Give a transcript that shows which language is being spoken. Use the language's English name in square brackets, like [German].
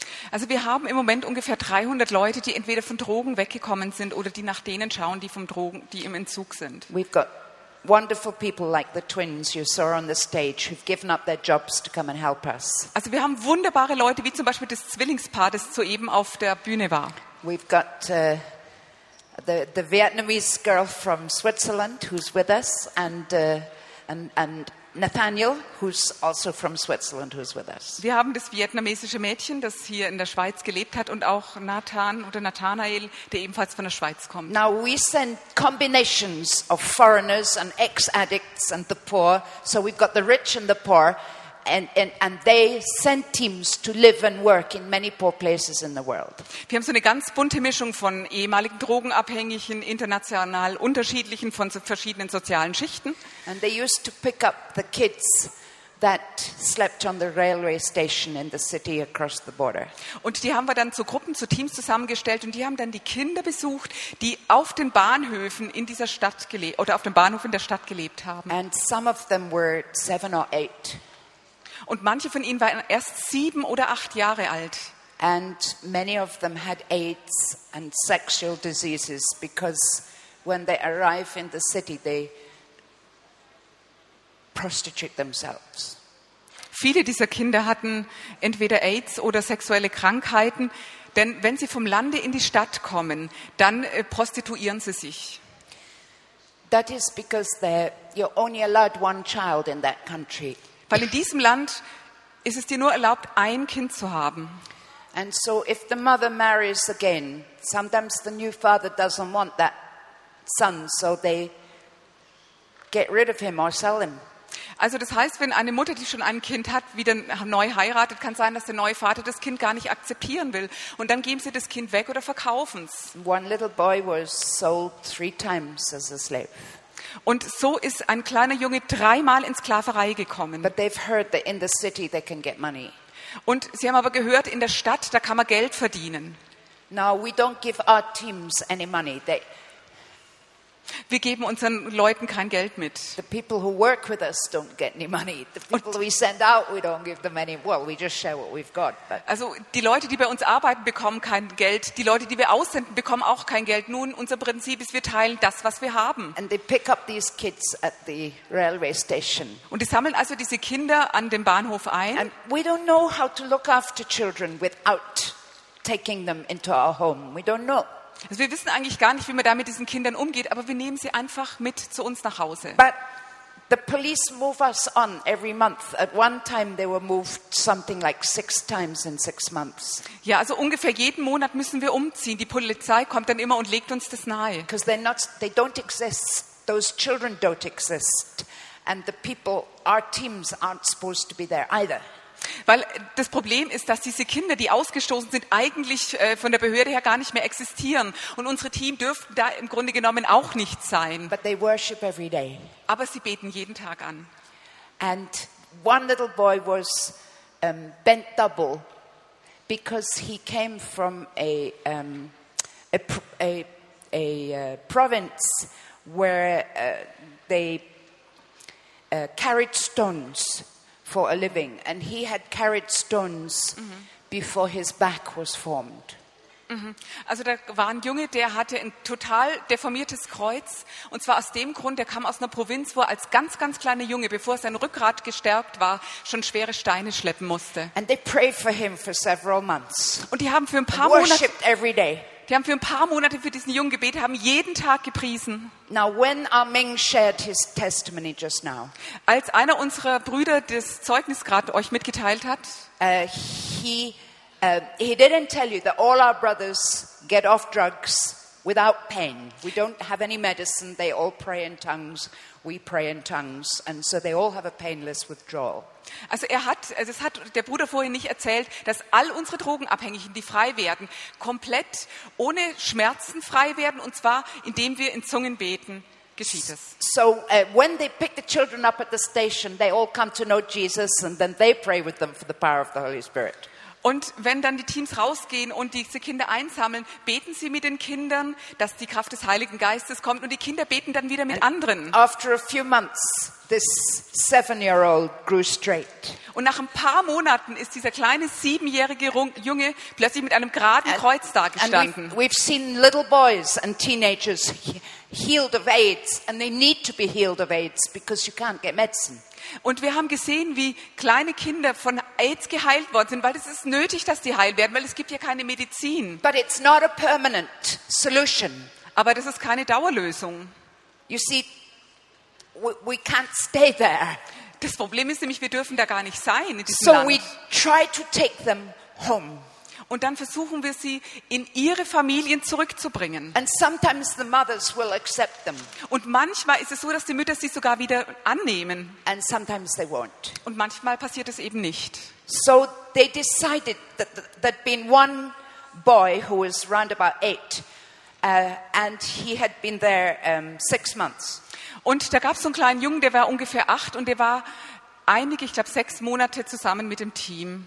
[German] Also wir haben im Moment ungefähr 300 Leute, die entweder von Drogen weggekommen sind oder die nach denen schauen, die vom Drogen, die im Entzug sind. [English] We've got wonderful people like the twins you saw on the stage who've given up their jobs to come and help us. [German] Also wir haben wunderbare Leute wie zum Beispiel das Zwillingspaar, das soeben auf der Bühne war. [English] We've got the Vietnamese girl from Switzerland who's with us and Nathaniel who's also from Switzerland who's with us. [German] Wir haben das vietnamesische Mädchen, das hier in der Schweiz gelebt hat und auch Nathan oder Nathanael, der ebenfalls von der Schweiz kommt. [English] Now we send combinations of foreigners and ex-addicts and the poor. So we've got the rich and the poor and they sent teams to live and work in many poor places in the world. [German] Wir haben so eine ganz bunte Mischung von ehemaligen Drogenabhängigen, international unterschiedlichen von verschiedenen sozialen Schichten. [English] And they used to pick up the kids that slept on the railway station in the city across the border. [German] Und die haben wir dann zu Gruppen, zu Teams zusammengestellt und die haben dann die Kinder besucht, die auf den Bahnhöfen in dieser Stadt gelebt oder auf dem Bahnhof in der Stadt gelebt haben. [English] And some of them were 7 or 8. [German] Und manche von ihnen waren erst 7 oder 8 Jahre alt. [English] And many of them had AIDS and sexual diseases because when they arrive in the city they prostitute themselves. [German] Viele dieser Kinder hatten entweder AIDS oder sexuelle Krankheiten, denn wenn sie vom Lande in die Stadt kommen, dann prostituieren sie sich. [English] That is because they're, you're only allowed one child in that country. [German] Weil in diesem Land ist es dir nur erlaubt, ein Kind zu haben. [English] And so if the mother marries again, sometimes the new father doesn't want that son, so they get rid of him or sell him. [German] Also das heißt, wenn eine Mutter, die schon ein Kind hat, wieder neu heiratet, kann sein, dass der neue Vater das Kind gar nicht akzeptieren will. Und dann geben sie das Kind weg oder verkaufen es. [English] One little boy was sold 3 times as a slave. [German] Und so ist ein kleiner Junge 3 Mal in Sklaverei gekommen. [English] But they've heard that in the city they can get money. [German] Und sie haben aber gehört, in der Stadt, da kann man Geld verdienen. [English] Now we don't give our teams any money. [German] Wir geben unseren Leuten kein Geld mit. [English] The people who work with us don't get any money. The people we send out, we don't give them any. Well, we just share what we've got. But [German] also die Leute, die bei uns arbeiten, bekommen kein Geld. Die Leute, die wir aussenden, bekommen auch kein Geld. Nun, unser Prinzip ist, wir teilen das, was wir haben. [English] And they pick up these kids at the railway station. [German] Und die sammeln also diese Kinder an dem Bahnhof ein. [English] And we don't know how to look after children without taking them into our home. We don't know. [German] Also wir wissen eigentlich gar nicht, wie man da mit diesen Kindern umgeht, aber wir nehmen sie einfach mit zu uns nach Hause. [English] But the police move us on every month. At one time they were moved something like 6 times in 6 months. [German] Ja, also ungefähr jeden Monat müssen wir umziehen. Die Polizei kommt dann immer und legt uns das nahe. [English] Because they're not, they don't exist. Those children don't exist. And the people, our teams aren't supposed to be there either. [German] Weil das Problem ist, dass diese Kinder, die ausgestoßen sind, eigentlich von der Behörde her gar nicht mehr existieren. Und unsere Team dürften da im Grunde genommen auch nicht sein. [English] But they worship every day. [German] Aber sie beten jeden Tag an. [English] And one little boy was bent double because he came from a province where they carried stones for a living, and he had carried stones before his back was formed. Mm-hmm. [German] Also da war ein Junge, der hatte ein total deformiertes Kreuz, und zwar aus dem Grund, der kam aus einer Provinz, wo er als ganz, ganz kleiner Junge, bevor sein Rückgrat gestärkt war, schon schwere Steine schleppen musste. [English] And they prayed for him for several months. [German] Und die haben für ein paar Monate, [English] worshipped every day. [German] Die haben für ein paar Monate für diesen Jungen gebetet, haben jeden Tag gepriesen. [English] Now, when Arming shared his testimony just now, [German] als einer unserer Brüder das Zeugnis gerade euch mitgeteilt hat, [English] he didn't tell you that all our brothers get off drugs without pain. We don't have any medicine. They all pray in tongues. We pray in tongues, and so they all have a painless withdrawal. [German] Also er hat, das hat der Bruder vorhin nicht erzählt, dass all unsere Drogenabhängigen, die frei werden, komplett ohne Schmerzen frei werden, und zwar indem wir in Zungen beten, geschieht es. [English] So when they pick the children up at the station, they all come to know Jesus, and then they pray with them for the power of the Holy Spirit. [German] Und wenn dann die Teams rausgehen und diese Kinder einsammeln, beten sie mit den Kindern, dass die Kraft des Heiligen Geistes kommt, und die Kinder beten dann wieder mit anderen. [English] After a few months, this 7-year-old grew straight. [German] Und nach ein paar Monaten ist dieser kleine 7-jährige Junge plötzlich mit einem geraden Kreuz dagestanden. [English] We've seen little boys and teenagers healed of AIDS, and they need to be healed of AIDS because you can't get medicine. [German] Und wir haben gesehen, wie kleine Kinder von AIDS geheilt worden sind, weil es ist nötig, dass die heil werden, weil es gibt ja keine Medizin. [English] But it's not a permanent solution. [German] Aber das ist keine Dauerlösung. [English] You see, we can't stay there. [German] Das Problem ist nämlich, wir dürfen da gar nicht sein in diesem so Land. [English] We try to take them home. [German] Und dann versuchen wir sie in ihre Familien zurückzubringen. [English] And sometimes the mothers will accept them. [German] Und manchmal ist es so, dass die Mütter sie sogar wieder annehmen. [English] And sometimes they won't. [German] Und manchmal passiert es eben nicht. [English] So they decided that been one boy who was round about 8 and he had been there 6 months. [German] Und da gab es so einen kleinen Jungen, der war ungefähr 8 und der war einige, ich glaube 6 Monate zusammen mit dem Team.